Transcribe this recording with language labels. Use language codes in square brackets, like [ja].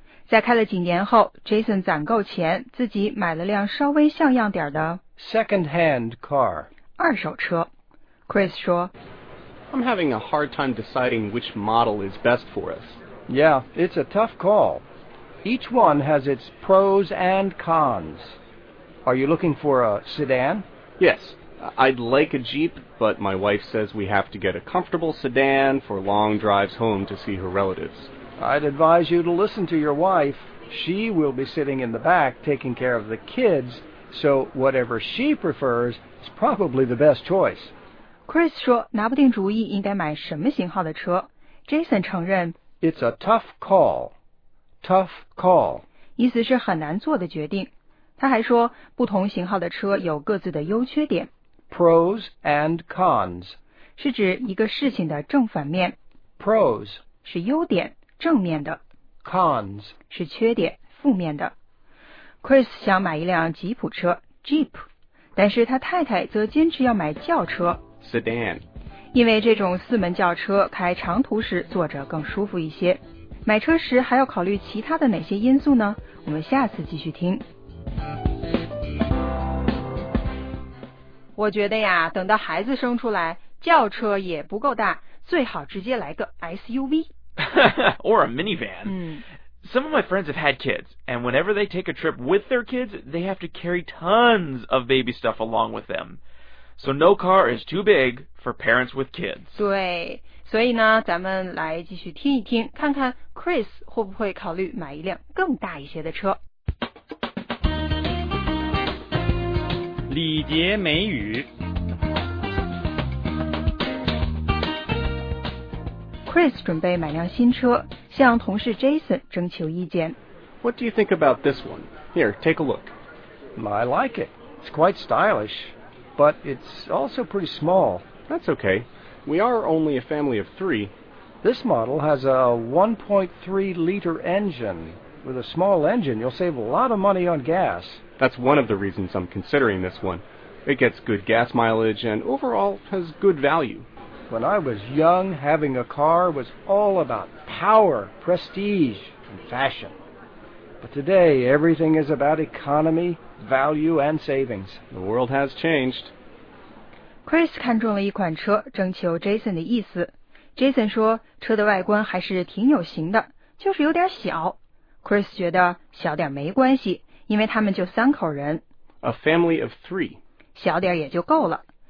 [zh] 在开了几年后 ,Jason 攒够钱自己买了辆稍微像样点的 [en] second-hand car, [zh] 二手车。Chris 说 [en] I'm having a hard time deciding which model is best for us. Yeah, it's a tough call. Each one has its pros and cons. Are you looking for a sedan? Yes, I'd like a Jeep, but my wife says we have to get a comfortable sedan for long drives home to see her relatives. I'd advise you to listen to your wife. She will be sitting in the back taking care of the kids, so whatever she prefers is probably the best choice. [zh] Chris 说拿不定主意应该买什么型号的车。 Jason 承认 [en] It's a tough call. Tough call. [zh] 意思是很难做的决定。他还说不同型号的车有各自的优缺点。 [en] Pros and cons. [zh] 是指一个事情的正反面。 [en] Pros [zh] 是优点。正面的 [en] cons [zh] 是缺点负面的 Chris 想买一辆吉普车 Jeep 但是他太太则坚持要买轿车 [en] sedan [zh] 因为这种四门轿车开长途时坐着更舒服一些买车时还要考虑其他的哪些因素呢我们下次继续听我觉得呀等到孩子生出来轿车也不够大最好直接来个 SUV [en] or a minivan. Some of my friends have had kids, and whenever they take a trip with their kids, they have to carry tons of baby stuff along with them. So no car is too big for parents with kids. [zh] 对，所以呢，咱们来继续听一听，看看 Chris 会不会考虑买一辆更大一些的车。礼节美语 Chris 准备买辆新车，向同事 Jason 征求意见。 [en] What do you think about this one? Here, take a look. I like it. It's quite stylish, but it's also pretty small. That's okay. We are only a family of three. This model has a 1.3-liter engine. With a small engine, you'll save a lot of money on gas. That's one of the reasons I'm considering this one. It gets good gas mileage and overall has good value. When I was young, having a car was all about power, prestige, and fashion. But today, everything is about economy, value, and savings. The world has changed. [zh] Chris 看中了一款车，征求 Jason 的意思。Jason 说，车的外观还是挺有型的，就是有点小。 Chris 觉得小点没关系，因为他们就三口人。 [en] A family of three. [zh] 小点也就够了。